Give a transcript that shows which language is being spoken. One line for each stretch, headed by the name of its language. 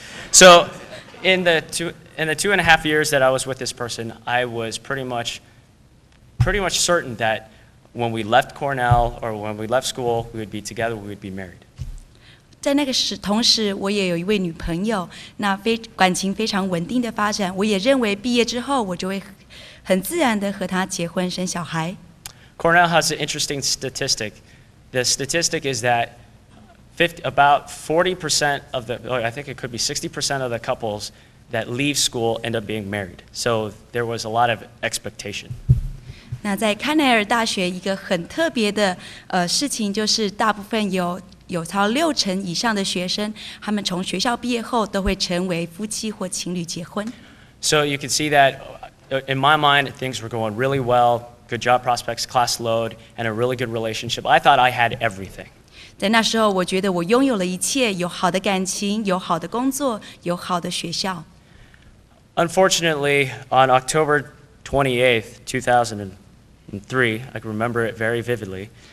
English: So, In the 2.5 years that I was with this person, I was pretty much certain that when we left Cornell or when we left school, we would be together, we would be married.
Chinese: 在那个时同时，我也有一位女朋友，那非感情非常稳定的发展，我也认为毕业之后我就会很自然的和她结婚生小孩。
English: Cornell has an interesting statistic. The statistic is that about 40% of the, I think it could be 60% of the couples. That leave school end up being married. So there was a lot of expectation.
Chinese: 那在康奈尔大学一个很特别的事情就是大部分有超六成以上的学生他们从学校毕业后都会成为夫妻或情侣结婚。
English: So you can see that in my mind things were going really well, good job prospects, class load, and a really good relationship. I thought I had everything.
Chinese: 在那时候，我觉得我拥有了一切，有好的感情，有好的工作，有好的学校。
English: Unfortunately, on October 28th, 2003, I can remember it very vividly.